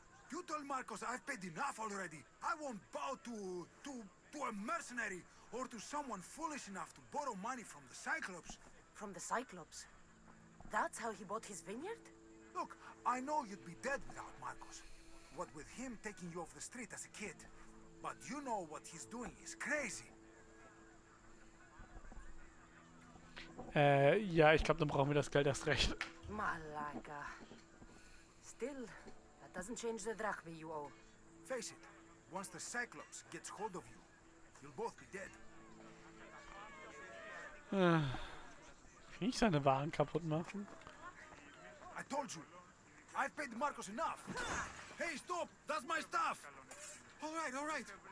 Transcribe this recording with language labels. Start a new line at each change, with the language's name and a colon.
English: You told Marcos I've paid enough already. I won't bow to a mercenary or to someone foolish enough to borrow money from the Cyclops. From the Cyclops? That's how he bought his vineyard? Look, I know you'd be dead without Marcos. What with him taking you off the street as a kid. But you know what he's doing is crazy.
German: Ja, ich glaube, dann brauchen wir das Geld erst recht. Malaga.
English: Still, that doesn't change the drachma you owe. Face it, once the Cyclops gets hold of you, you'll both be dead.
German: Kann ich seine Waren kaputt machen?
English: I told you, I've paid Marcos enough. Hey, stop! That's my stuff! Alright, alright.